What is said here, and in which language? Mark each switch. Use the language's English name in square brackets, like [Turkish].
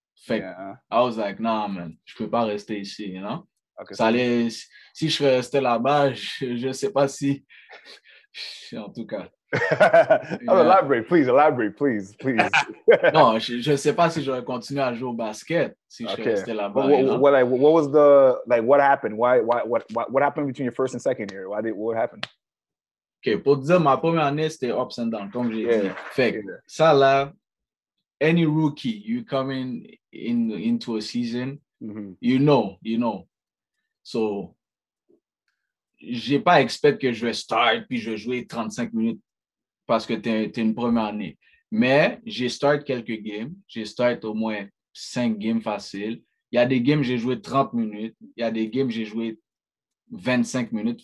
[French] Fait que, [English] I was like, nah, man, [French] je peux pas rester ici, [English] you know? Okay. [French] Ça allait, si je restais là-bas, je sais pas si, en tout cas. [English] Yeah. Elaborate, please. [French] Non, je sais pas si j'aurais continué à jouer au basket si je restais là-bas. [English] What happened? What happened between your first and second year? What happened? [French] Okay, pour dire ma première année c'était [English] ups and downs [French] comme j'ai dit. Fait que ça là, [English] any rookie you come into a season, you know. [French] So j'ai pas expect que je vais start puis je vais jouer 35 minutes. Parce que t'es une première année. Mais j'ai start quelques games. J'ai start au moins 5 games faciles. Il y a des games, j'ai joué 30 minutes. Il y a des games, j'ai joué 25 minutes.